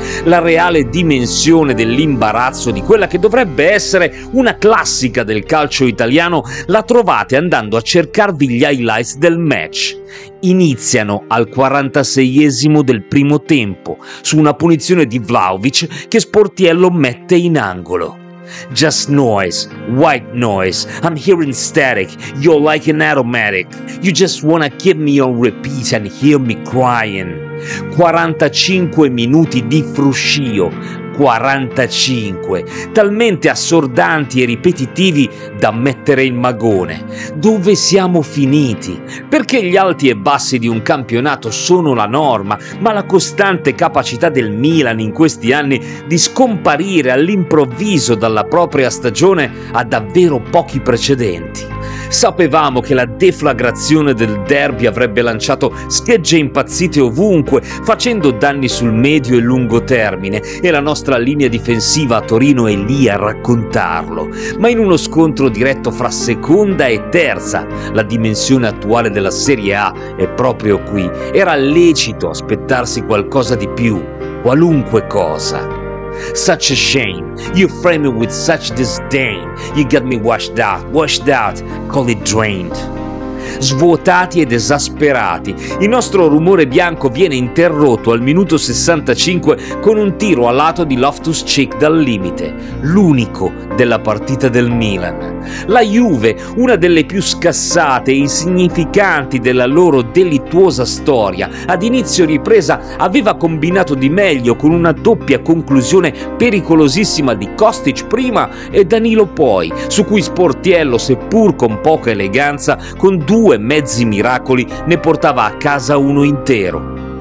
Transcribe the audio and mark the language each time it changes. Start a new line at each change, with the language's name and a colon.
Italian: La reale dimensione dell'imbarazzo di quella che dovrebbe essere una classica del calcio italiano la trovate andando a cercarvi gli highlights del match. Iniziano al 46esimo del primo tempo, su una punizione di Vlahovic che Sportiello mette in angolo.
English: Just noise, white noise, I'm hearing static, you're like an automatic, you just wanna keep me on repeat and hear me crying.
Italian: 45 minuti di fruscio, 45, talmente assordanti e ripetitivi da mettere in magone. Dove siamo finiti? Perché gli alti e bassi di un campionato sono la norma, ma la costante capacità del Milan in questi anni di scomparire all'improvviso dalla propria stagione ha davvero pochi precedenti. Sapevamo che la deflagrazione del derby avrebbe lanciato schegge impazzite ovunque, facendo danni sul medio e lungo termine, e la nostra linea difensiva a Torino è lì a raccontarlo. Ma in uno scontro diretto fra seconda e terza, la dimensione attuale della Serie A è proprio qui, era lecito aspettarsi qualcosa di più, qualunque cosa.
English: Such a shame, you frame me with such disdain, you got me washed out, call it drained.
Italian: Svuotati ed esasperati, il nostro rumore bianco viene interrotto al minuto 65 con un tiro a lato di Loftus-Cheek dal limite, l'unico della partita del Milan. La Juve, una delle più scassate e insignificanti della loro delittuosa storia, ad inizio ripresa aveva combinato di meglio con una doppia conclusione pericolosissima di Kostic prima e Danilo poi, su cui Sportiello, seppur con poca eleganza, con due mezzi miracoli ne portava a casa uno intero.